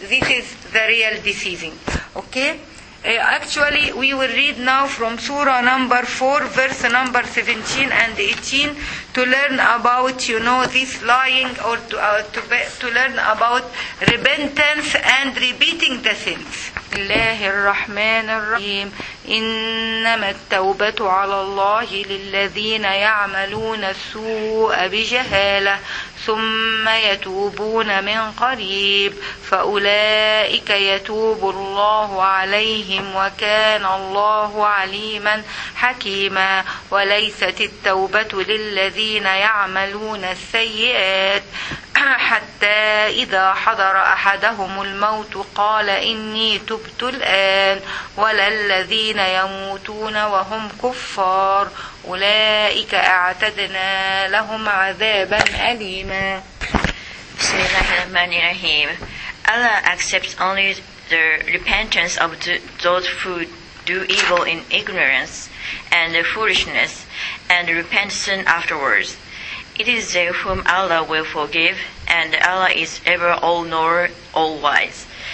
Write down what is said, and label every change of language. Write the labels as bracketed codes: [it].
[en] This is the real deceiving. Okay? Actually, we will read now from Surah number 4, verse number 17 and 18, to learn about, you know, this lying, or to learn about repentance and repeating the sins. [ar] الله الرحمن الرحيم إنما التوبة على الله للذين يعملون السوء بجهالة ثم يتوبون من قريب فأولئك يتوب الله عليهم وكان الله عليما حكيما وليست التوبة للذين يعملون السيئات حتى إذا حضر أحدهم الموت قال إني تبت الآن ولا الذين يموتون وهم كفار أولئك أعتدنا لهم عذابا أليما. بسم الله الرحمن الرحيم. [en] Allah accepts only the repentance of those who do evil in ignorance. and foolishness, and repent soon afterwards. It is they whom Allah will forgive, and Allah is ever all-knower, all-wise.